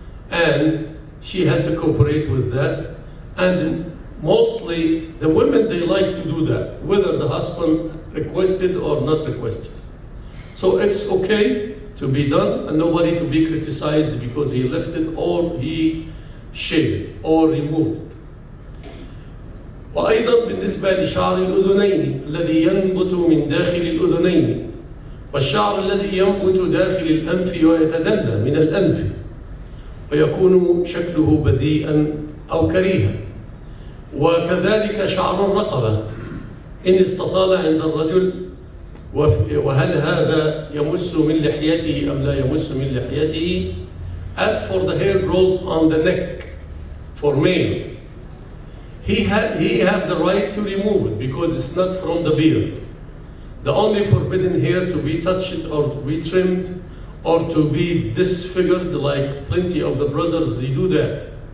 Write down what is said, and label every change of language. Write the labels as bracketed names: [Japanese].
[English] And she had to cooperate with that. And mostly the women, they like to do that, whether the husband requested or not requested. So it's okay to be done and nobody to be criticized because he left it or he shaved or removed. [Arabic] وأيضا بالنسبة لشعر الأذنين الذي ينبت من داخل الأذنين والشعر الذي ينبت داخل الأنف ويتدلى من الأنف ويكون شكله بذيئا أو كريها، وكذلك شعر الرقبة إن استطال عند الرجل وهل هذا يمس من لحيته أم لا يمس من لحيته؟ [English] As for the hair grows on the neck for male, he has the right to remove it because it's not from the beard. The only forbidden hair to be touched or to be trimmed or to be disfigured, like plenty of the brothers, they do that.